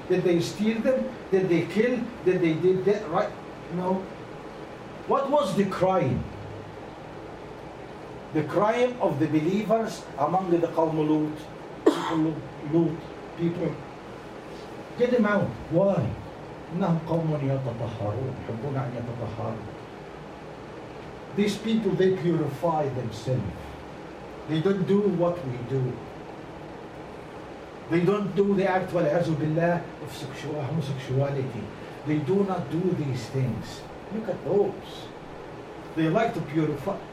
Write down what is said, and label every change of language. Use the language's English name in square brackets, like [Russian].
[English] Did they steal them? Did they kill? Did they did that, right? No. What was the crime? The crime of the believers among the Qawm Lut, Lut people. Get them out. Why? [Arabic] إنهم قوم يتطهرون يحبون أن يتطهروا. [English] These people, they purify themselves. They don't do what we do. They don't do the act والعزو بالله of homosexuality. They do not do these things. Look at those. They like to purify.